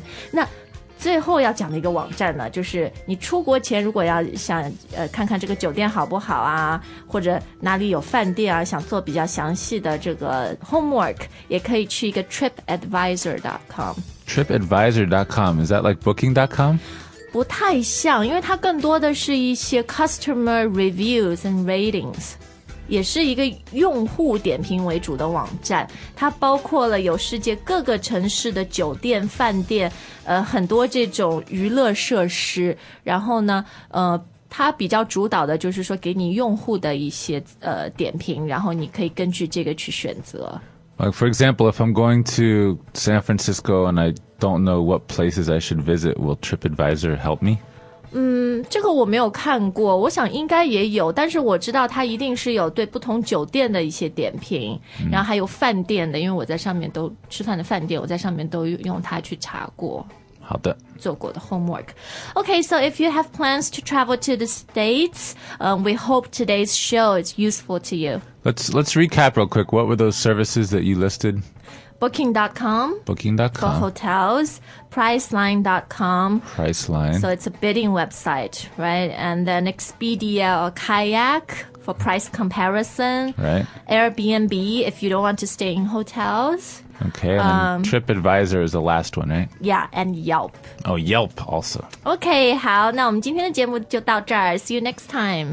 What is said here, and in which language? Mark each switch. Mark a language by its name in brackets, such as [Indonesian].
[Chinese] 那最后要讲的一个网站呢，就是你出国前如果要想看看这个酒店好不好啊，或者哪里有饭店啊，想做比较详细的这个 homework, 也可以去一个 tripadvisor.com。 [English] tripadvisor.com, is that like booking.com? [Chinese] 不太像，因为它更多的是一些 [English] customer reviews and ratings, [Chinese] 也是一个用户点评为主的网站，它包括了有世界各个城市的酒店饭店很多这种娱乐设施，然后呢它比较主导的就是说给你用户的一些点评，然后你可以根据这个去选择。 [English] Like for example, if I'm going to San Francisco and I don't know what places I should visit, will TripAdvisor help me? [Chinese] 这个我没有看过，我想应该也有，但是我知道它一定是有对不同酒店的一些点评，然后还有饭店的，因为我在上面都吃饭的饭店，我在上面都用它去查过。好的，做过的 homework. [English] Okay, so if you have plans to travel to the States, we hope today's show is useful to you. Let's recap real quick. What were those services that you listed? Booking.com. Booking.com. For hotels. Priceline.com. Priceline. So it's a bidding website, right? And then Expedia or Kayak for price comparison. Right. Airbnb if you don't want to stay in hotels. Okay, and TripAdvisor is the last one, right? Yeah, and Yelp. Oh, Yelp also. Okay, [Chinese] 好，那我们今天的节目就到这儿。 [English] See you next time.